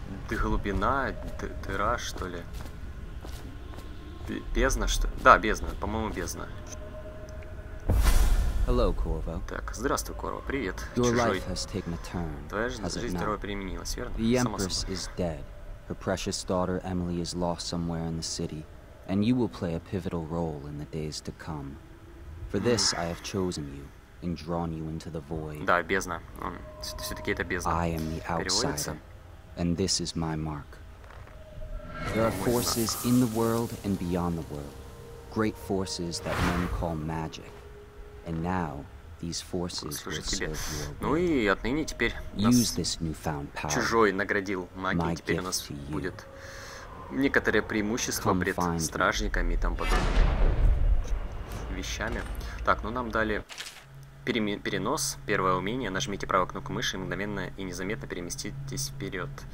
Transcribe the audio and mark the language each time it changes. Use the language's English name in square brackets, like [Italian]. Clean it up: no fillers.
[Russian] Глубина, дыра, что ли? Бездна, что ли? Да, бездна, по-моему, бездна. [English] Hello, Corvo. [Russian] Так, здравствуй, Корво, привет, чужой. Твоя жизнь здорово переменилась, верно? [English] The Empress is dead. Her precious daughter Emily is lost somewhere in the city. And you will play a pivotal role in the days to come. For this, I have chosen you. and drawn you into the void. [Russian] Да, бездна. Все-таки это бездна. [English] I am the outsider, and this is my mark. There are forces in the world and beyond the world. Great forces that men call magic. And now these forces will serve your will. [Russian] Ну и отныне теперь нас чужой наградил магией, теперь у нас будет некоторое преимущество пред стражниками и там подобными вещами. Так, ну нам дали перенос, первое умение. Нажмите правую кнопку мыши и мгновенно и незаметно переместитесь вперед.